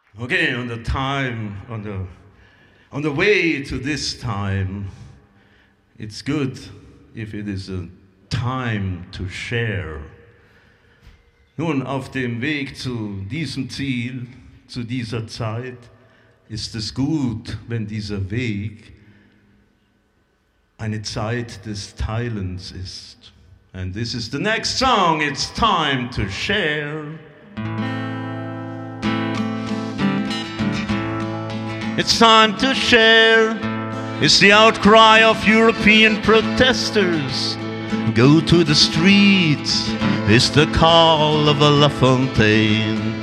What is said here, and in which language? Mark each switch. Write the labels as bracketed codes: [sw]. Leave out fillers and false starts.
[en] Okay, on the time, on the way to this time, it's good if it is a time to share. [de] Nun, auf dem Weg zu diesem Ziel, zu dieser Zeit, ist es gut, wenn dieser Weg eine Zeit des Teilens ist. [en] And this is the next song, it's time to share. It's time to share, is the outcry of European protesters. Go to the streets, is the call of La Fontaine.